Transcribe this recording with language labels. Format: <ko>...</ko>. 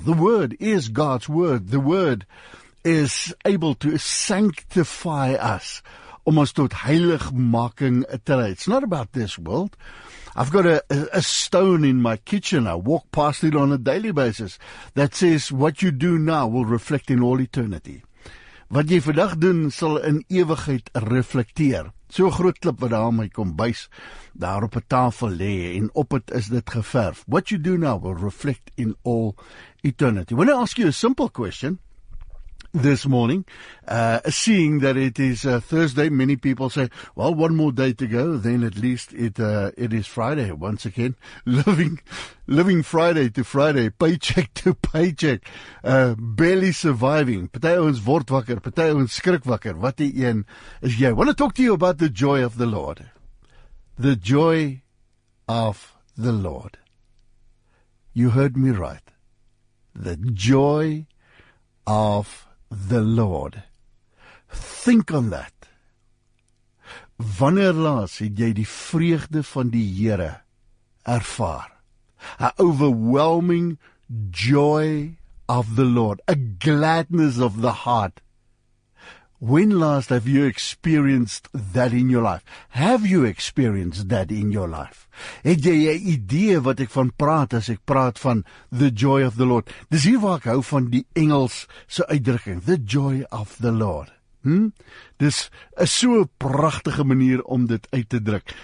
<en>The word is God's word. The word is able to sanctify us. Almost</en> <af>tot heiligmaking</af> <en>today. It's not about this world. I've got a stone in my kitchen. I walk past it on a daily basis that says what you do now will reflect in all eternity.</en> <af>Wat jy vandag doen sal in ewigheid reflekteer. So groot klip wat daar my kombuis daar op 'n tafel lê en op het is dit geverf.</af> <en>What you do now will reflect in all eternity. When I ask you a simple question this morning, seeing that it is Thursday, many people say, well, one more day to go, then at least it is Friday once again. Living Friday to Friday, paycheck to paycheck, barely surviving.</en> <af>Party ons word wakker, party ons skrik wakker. Wat die een is jy?</af> <en>I want to talk to you about the joy of the Lord. The joy of the Lord. You heard me right. The joy of the Lord. Think on that.</en> <af>Wanneer laas het jy die vreugde van die Here ervaar?</af> <en>A overwhelming joy of the Lord, a gladness of the heart. When last have you experienced that in your life? Have you experienced that in your life?</en> <af>Het jy 'n idee wat ek van praat as ek praat van</af> <en>the joy of the Lord?</en> <af>Dis hier waar ek hou van die Engels se uitdrukking,</af> <en>the joy of the Lord.</en> <af>Dis is so 'n pragtige manier om dit uit te druk.</af>